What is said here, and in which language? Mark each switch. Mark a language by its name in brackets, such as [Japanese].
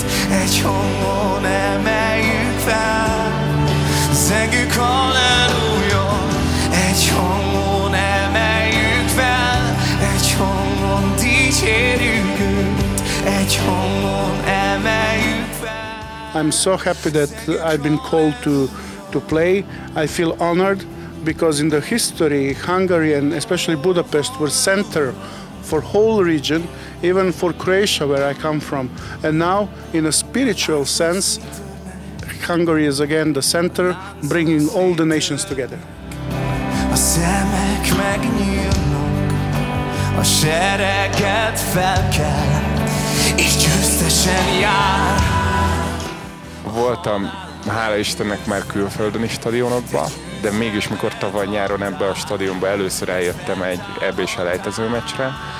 [Hungarian] Egy hangon emeljük fel, zengük halleluja, egy hangon emeljük fel, egy hangon dicsérjük. [English] I'm so happy that I've been called to play. I feel honored because in the history, Hungary and especially Budapest were center for whole region, even for Croatia where I come from. And now, in a spiritual sense, Hungary is again the center, bringing all the nations together. [Hungarian] A szemek megnyílnak, a sereget fel kell. Voltam, hála Istennek, már külföldön is stadionokban, de mégis mikor tavaly nyáron ebbe a stadionba először eljöttem egy EB-selejtező meccsre,